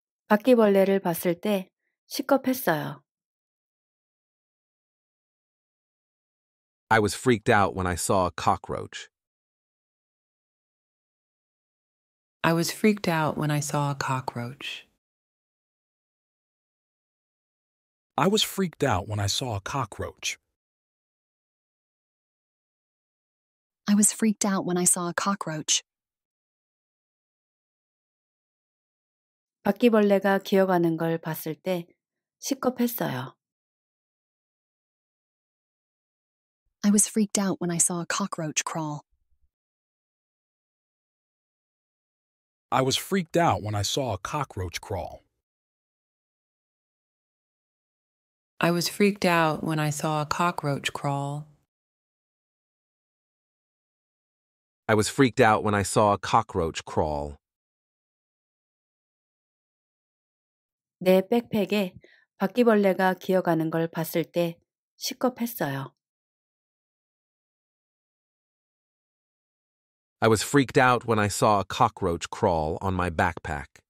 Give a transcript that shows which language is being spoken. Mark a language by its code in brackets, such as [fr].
[ko] 바퀴벌레를 봤을 때 식겁했어요. [en] I was freaked out when I saw a cockroach. I was freaked out when I saw a cockroach. I was freaked out when I saw a cockroach. I was freaked out when I saw a cockroach. [ko] 바퀴벌레가 기어가는 걸 봤을 때 식겁했어요. [en] I was freaked out when I saw a cockroach crawl. I was freaked out when I saw a cockroach crawl. I was freaked out when I saw a cockroach crawl. I was freaked out when I saw a cockroach crawl. [ko] 내 백팩에 바퀴벌레가 기어가는 걸 봤을 때 식겁했어요. [en] I was freaked out when I saw a cockroach crawl on my backpack.